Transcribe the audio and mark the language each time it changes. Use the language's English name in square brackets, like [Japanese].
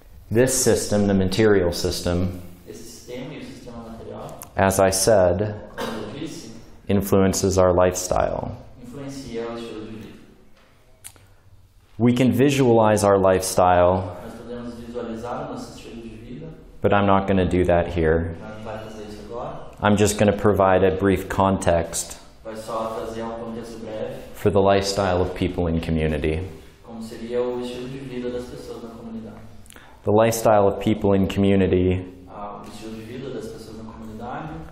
[English] This system, the material system, [Portuguese] esse sistema e o sistema material, [English] as I said, influences our lifestyle. [Portuguese] Influencia o estilo de vida. [English] We can visualize our lifestyle, [Portuguese] nós podemos visualizar o nosso estilo de vida, [English] but I'm not going to do that here. [Portuguese] Não vai fazer isso agora. [English] I'm just going to provide a brief context, [Portuguese] vai só fazer contexto breve, [English] for the lifestyle of people in community. [Portuguese] Como seria o estilo de vida das pessoas na comunidade. [English] The lifestyle of people in community, [Portuguese] o estilo de vida das pessoas na comunidade,